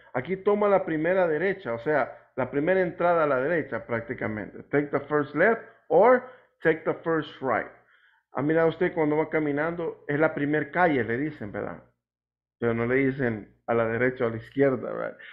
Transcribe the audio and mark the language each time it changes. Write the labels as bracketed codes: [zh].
[es] Aquí toma la primera derecha, o sea, la primera entrada a la derecha prácticamente. [en] Take the first left or take the first right. [es] Ha mirado usted cuando va caminando, es la primer calle, le dicen, ¿verdad? Pero no le dicen a la derecha o a la izquierda, right?